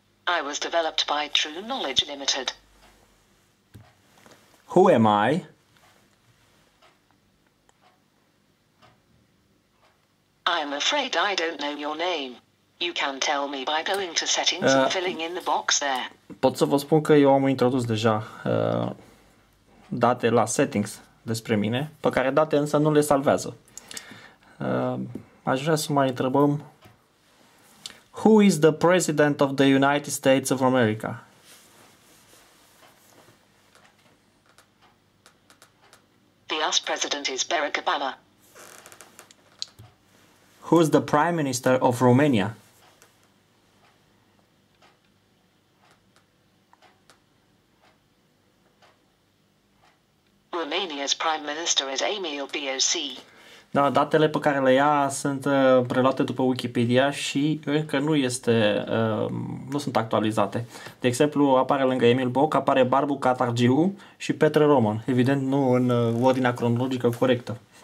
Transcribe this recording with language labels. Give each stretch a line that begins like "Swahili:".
English: I was developed by True Knowledge Limited. Who am I? I'm afraid I don't know your name. You can tell me by going to settings and filling in the box there.
Romanian: Pot să vă spun că eu am introdus deja date la settings despre mine, pe care date însă nu le salvează. Aș vrea să mai întrebăm.
English: Who is the president of the United States of America? The US president is Barack Obama. Who's the Prime Minister of Romania? Romania's Prime Minister is Emil Boc.
Romanian: Da, datele pe care le ia sunt preluate după Wikipedia și încă nu este nu sunt actualizate. De exemplu, apare lângă Emil Boc, apare Barbu Catargiu și Petre Roman, evident nu în ordinea cronologică corectă.